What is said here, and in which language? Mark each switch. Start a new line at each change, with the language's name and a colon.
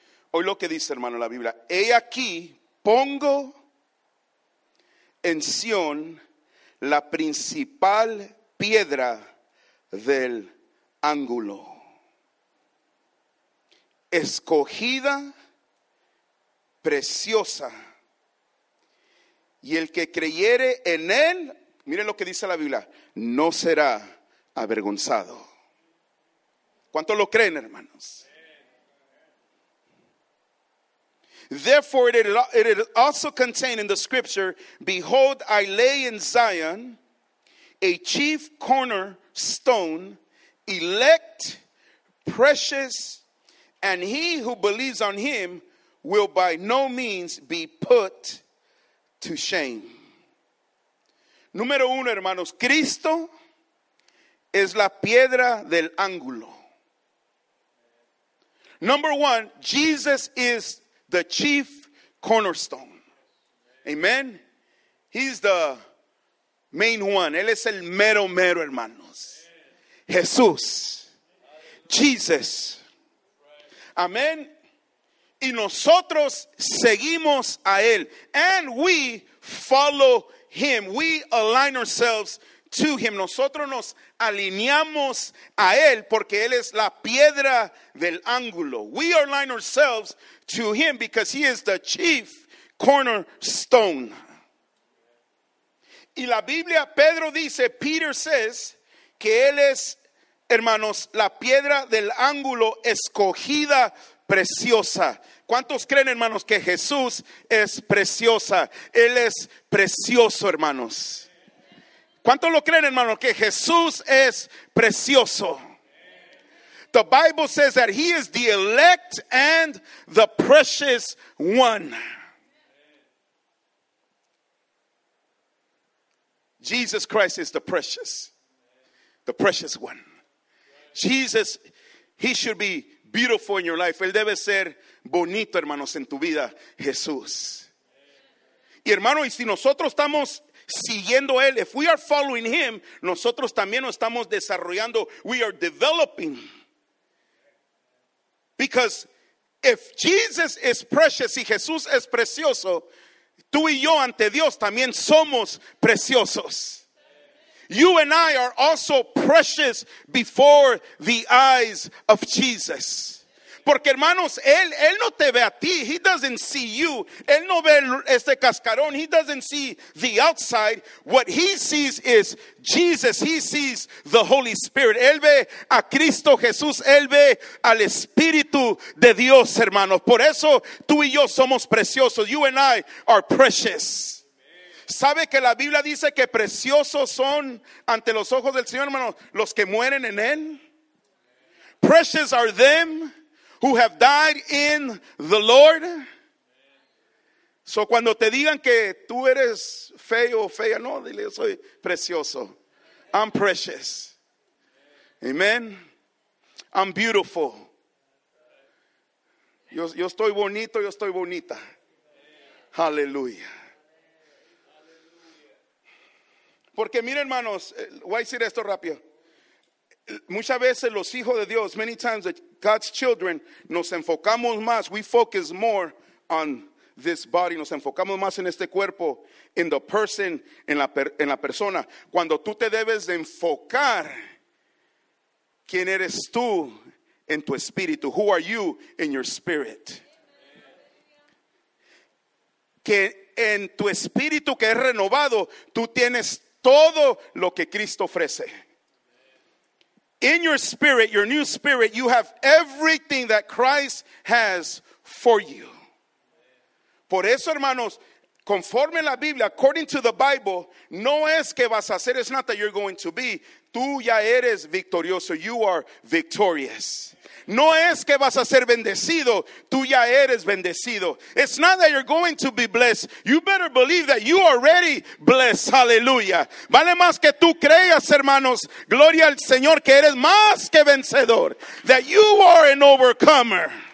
Spanish: Hoy lo que dice, hermano, la Biblia: he aquí, pongo en Sion la principal piedra del ángulo, escogida, preciosa, y el que creyere en él, miren lo que dice la Biblia, no será avergonzado. ¿Cuántos lo creen, hermanos?
English: Therefore, it is also contained in the scripture, behold, I lay in Zion a chief cornerstone, elect, precious, and he who believes on him will by no means be put to shame.
Spanish: Número uno, hermanos, Cristo es la piedra del ángulo.
English: Number one, Jesus is the chief cornerstone. Amen. He's the main one.
Spanish: Él es el mero mero, hermanos. Jesús. Jesus. Amen. Y nosotros seguimos a él.
English: And we follow him. We align ourselves to him.
Spanish: Nosotros nos alineamos a él porque él es la piedra del ángulo.
English: We align ourselves to him because he is the chief cornerstone.
Spanish: Y la Biblia, Pedro dice,
English: Peter says,
Spanish: que él es, hermanos, la piedra del ángulo escogida, preciosa. ¿Cuántos creen, hermanos, que Jesús es preciosa? Él es precioso, hermanos. ¿Cuántos lo creen, hermanos, que Jesús es precioso?
English: The Bible says that he is the elect and the precious one. Jesus Christ is the precious one. Jesus, he should be beautiful in your life.
Spanish: Él debe ser bonito, hermanos, en tu vida, Jesús. Y hermano, y si nosotros estamos siguiendo él,
English: if we are following him,
Spanish: nosotros también nos estamos desarrollando,
English: we are developing. Because if Jesus is precious,
Spanish: si Jesús es precioso, tú y yo ante Dios también somos preciosos.
English: You and I are also precious before the eyes of Jesus.
Spanish: Porque hermanos, él no te ve a ti.
English: He doesn't see you.
Spanish: Él no ve este cascarón.
English: He doesn't see the outside. What he sees is Jesus. He sees the Holy Spirit.
Spanish: Él ve a Cristo Jesús. Él ve al Espíritu de Dios, hermanos. Por eso tú y yo somos preciosos.
English: You and I are precious.
Spanish: ¿Sabe que la Biblia dice que preciosos son ante los ojos del Señor, hermanos, los que mueren en él?
English: Precious are them who have died in the Lord.
Spanish: So cuando te digan que tú eres feo o fea, no, dile, yo soy precioso.
English: I'm precious. Amen. I'm beautiful.
Spanish: Yo estoy bonito, yo estoy bonita. Aleluya. Porque mira, hermanos, voy a decir esto rápido. Muchas veces los hijos de Dios,
English: many times God's children,
Spanish: nos enfocamos más,
English: we focus more on this body,
Spanish: nos enfocamos más en este cuerpo,
English: in the person,
Spanish: en la persona. Cuando tú te debes de enfocar, ¿quién eres tú en tu espíritu?
English: Who are you in your spirit?
Spanish: Que en tu espíritu que es renovado, tú tienes todo lo que Cristo ofrece.
English: In your spirit, your new spirit, you have everything that Christ has for you.
Spanish: Por eso, hermanos, conforme la Biblia,
English: according to the Bible,
Spanish: no es que vas a ser,
English: it's not that you're going to be.
Spanish: Tú ya eres victorioso.
English: You are victorious.
Spanish: No es que vas a ser bendecido. Tú ya eres bendecido.
English: It's not that you're going to be blessed. You better believe that you already blessed. Hallelujah.
Spanish: Vale más que tú creas, hermanos. Gloria al Señor que eres más que vencedor.
English: That you are an overcomer.